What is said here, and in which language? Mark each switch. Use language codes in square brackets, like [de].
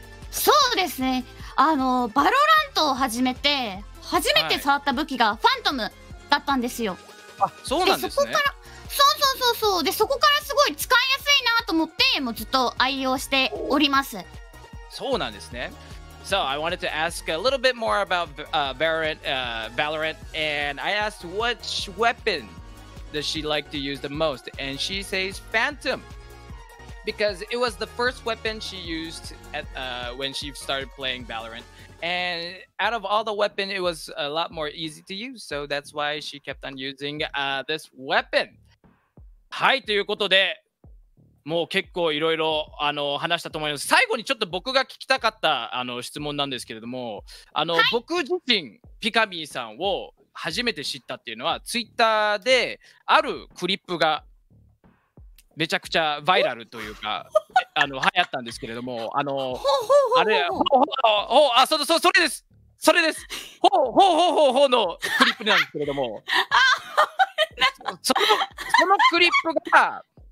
[ja] そうですね、あのバロラントを始めて初めて触った武器がファントムだったんですよ、はい、あ、そうなんですね。でそこからそうそうそうそう、でそこからすごい使いやすいなと思って、もうずっと愛用しております。そうなんですね。 [en] So I wanted to ask a little bit more about Valorant, and I asked which weapon does she like to use the most, and she says Phantom, because it was the first weapon she used at, when she started playing Valorant, and out of all the weapon it was a lot more easy to use, so that's why she kept on using this weapon. [ja] はい、ということで、もう結構いろいろ話したと思います。最後にちょっと僕が聞きたかった質問なんですけれども、はい、僕自身ピカミーさんを初めて知ったっていうのはツイッターであるクリップがめちゃくちゃバイラルというか流行ったんですけれども、あれ、ほうほうほう、あ、それです、それです、ほうほうほうほうほうのクリップなんですけれども、そのクリップが